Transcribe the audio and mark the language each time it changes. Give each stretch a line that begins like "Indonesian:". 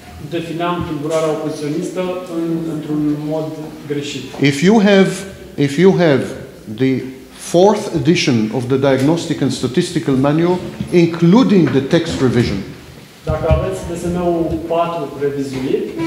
Romanian: Defineam tulburarea opoziționistă într-un mod greșit.
English: If you have the fourth edition of the Diagnostic and Statistical Manual, including the text revision.
Romanian: Dacă aveți DSM-ul 4 revizuit,